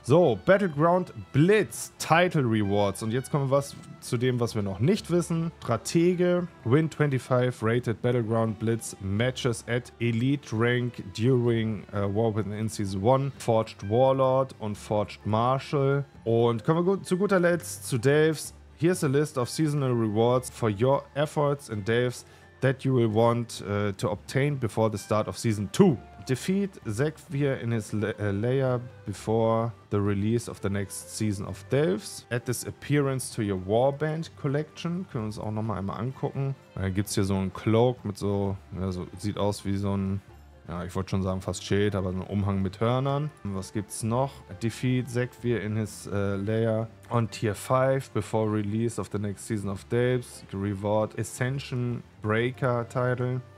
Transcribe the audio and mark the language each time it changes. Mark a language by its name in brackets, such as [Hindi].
[German] So, Battleground Blitz, Title Rewards und jetzt kommen wir zu dem, was wir noch nicht wissen. [English] Stratege, win 25 Rated Battleground Blitz Matches at Elite Rank during War Within Season 1, Forged Warlord und Forged Marshal. [German] Und kommen wir zu guter Letzt zu Delves. [English] Here's a list of seasonal rewards for your efforts and Delves that you will want to obtain before the start of Season 2. Defeat Zekvir in his lair before the release of the next season of Delves. Add this appearance to your Warband Collection. [German] Können wir uns auch nochmal einmal angucken. Dann gibt es hier so einen Cloak mit so, ja, so, sieht aus wie so ein, ja, ich wollte schon sagen fast Schild, aber so ein Umhang mit Hörnern. Was gibt's noch? [English] Defeat Zekvir in his lair. On Tier 5, before release of the next season of Delves, reward Ascension Breaker title.